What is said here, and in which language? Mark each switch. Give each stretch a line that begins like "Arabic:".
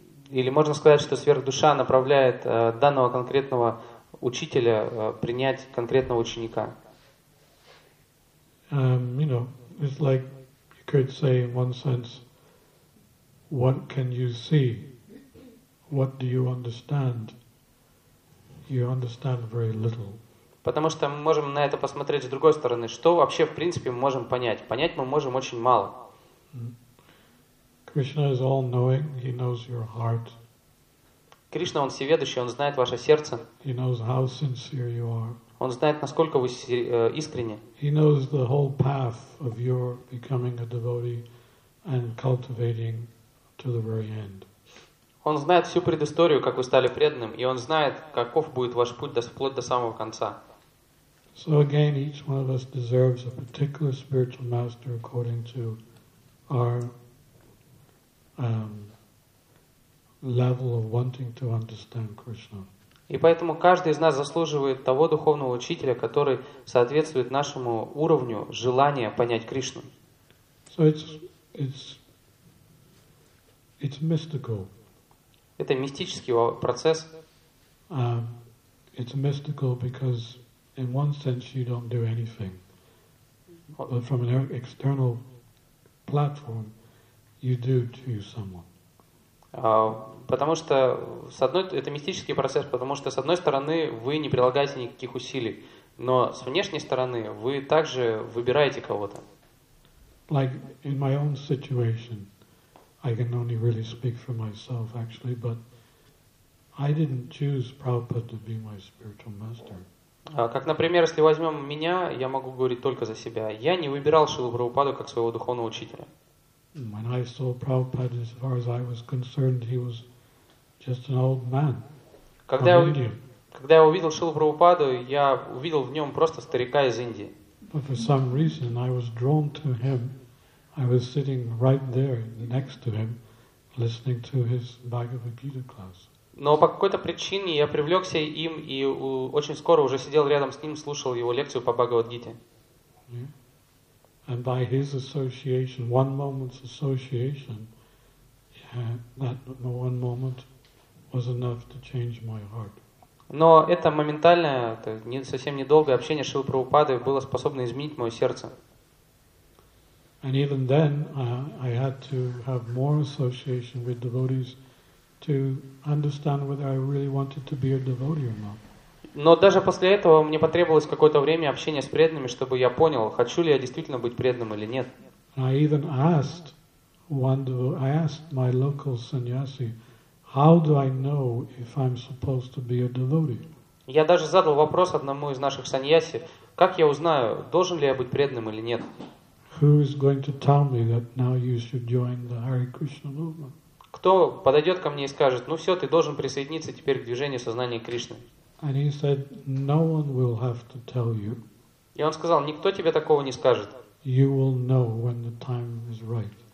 Russian: Или можно сказать, что сверхдуша направляет данного конкретного учителя принять конкретного ученика.
English: You know, it's like you could say in one sense, what can you see? What do you understand? You understand very little.
Russian: Потому что мы можем на это посмотреть с другой стороны. Что вообще, в принципе, мы можем понять? Понять мы можем очень мало.
English: Krishna is all-knowing, he knows your heart.
Russian: Кришна, он всеведущий, он знает ваше сердце.
English: He knows how sincere you are.
Russian: Он знает, насколько вы искренне.
English: He knows the whole path of your becoming a devotee and cultivating to the very end.
Russian: Он знает всю предысторию, как вы стали преданным, и он знает, каков будет ваш путь вплоть до самого конца.
English: So again, each one of us deserves a particular spiritual master according to our level of wanting to understand Krishna.
Russian: И поэтому каждый из нас заслуживает того духовного учителя, который соответствует нашему уровню желания понять Кришну.
English: So it's mystical.
Russian: Это мистический процесс.
English: It's mystical because in one sense you don't do anything. But from an external platform you do to someone.
Russian: Потому что с одной это мистический процесс, потому что с одной стороны вы не прилагаете никаких усилий, но с внешней стороны вы также выбираете кого-то.
English: Like in my own situation, I can only really speak for myself, actually, but I didn't choose Prabhupada to be my spiritual master.
Russian: Как, например, если возьмем меня, я могу говорить только за себя. Я не выбирал Шрилу Прабхупаду как своего духовного учителя.
English: When I saw Prabhupada, as far as I was concerned, he was just an old man.
Russian: Когда я увидел Шрилу Прабхупаду, я увидел в нем просто старика из Индии.
English: But for some reason, I was drawn to him. I was sitting right there next to him, listening to his Bhagavad Gita class.
Russian: Но по какой-то причине я привлекся им и очень скоро уже сидел рядом с ним, слушал его лекцию по Бхагавад Гите.
English: And by his association, one moment's association, that one moment was enough to change my heart.
Russian: Но это моментальное, это не совсем недолгое общение Шрилы Прабхупады было способно изменить мое сердце.
English: And even then, I had to have more association with devotees to understand whether I really wanted to be a devotee or not.
Russian: Но даже после этого мне потребовалось какое-то время общения с преданными, чтобы я понял, хочу ли я действительно быть преданным или нет.
English: I asked my local sannyasi, how do I know if I'm supposed to be a devotee?
Russian: Я даже задал вопрос одному из наших саньяси, как я узнаю, должен ли я быть преданным или нет?
English: Who is going to tell me that now you should join the Hare Krishna movement?
Russian: Кто подойдет ко мне и скажет, ну все, ты должен присоединиться теперь к движению сознания Кришны?
English: And he said, no one will have to tell you.
Russian: И он сказал, никто тебе такого не скажет.
English: You will know when the time is right.